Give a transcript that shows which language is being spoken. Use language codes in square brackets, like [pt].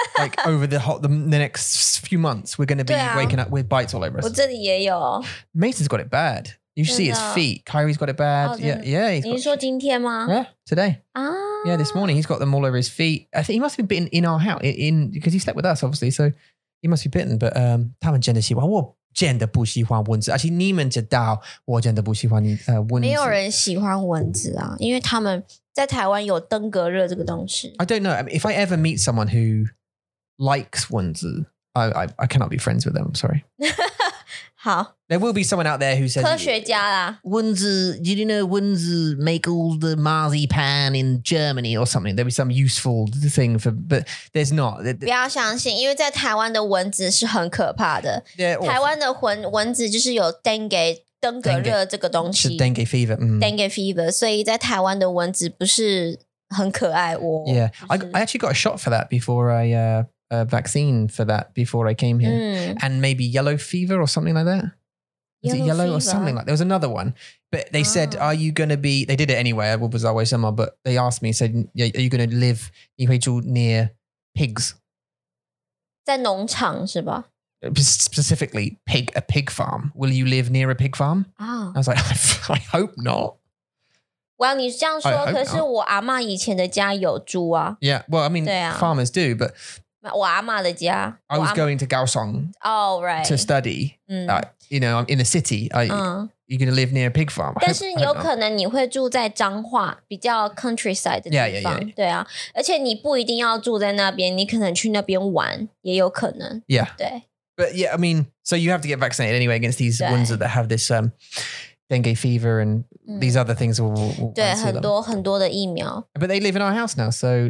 [en] Like over the next few months, we're going to be waking up with bites all over us. [zh] 我这里也有。 [en] Mason's got it bad. You see his feet. Kyrie's got it bad. Oh, yeah. [zh] He's 你说今天吗? [en] Yeah, today. Ah. Yeah, this morning he's got them all over his feet. I think he must have been bitten in our house, because he slept with us, obviously. So he must be bitten, but [zh] 他们真的喜欢我。真的不喜欢蚊子，而且你们知道，我真的不喜欢蚊子。没有人喜欢蚊子啊，因为他们在台湾有登革热这个东西。 [en] I don't know. I mean, if I ever meet someone who likes 蚊子, I cannot be friends with them. I'm sorry. [zh] 好。 [en] There will be someone out there who says [zh] 科学家啦。 [en] 蚊子, did you know 蚊子 make all the marzipan in Germany or something? There'll be some useful thing but there's not. [zh] 不要相信，因为在台湾的蚊子是很可怕的。台湾的蚊子就是有 登革热这个东西。 [en] Dengue fever. Dengue fever. [zh] 所以在台湾的蚊子不是很可爱哦。 [en] Yeah. I actually got a shot for that before I, a vaccine for that before I came here. And maybe yellow fever or something like that. Is it yellow or something like that? There was another one. But they said, are you going to be... They did it anyway. I was always somewhere. But they asked me, said, are you going to live near pigs? [zh] 在农场是吧? [en] Specifically, a pig farm. Will you live near a pig farm? I was like, I hope not. [zh] Well, 你这样说,可是我阿嬷以前的家有猪啊。 [en] Yeah, well, I mean, farmers do, but... [zh] 我阿嬷的家。 [en] I was going to Kaohsiung. Oh, right. To study. You know, I'm in a city. You're going to live near a pig farm. [zh] 但是有可能你会住在彰化，比较 countryside 的地方。 [en] Yeah. [zh] 对啊，而且你不一定要住在那边，你可能去那边玩也有可能。 [en] Yeah. [zh] 对。 [en] But yeah, I mean, so you have to get vaccinated anyway against these ones that have this dengue fever and these other things. [zh] 对，很多很多的疫苗。 [en] But they live in our house now, so.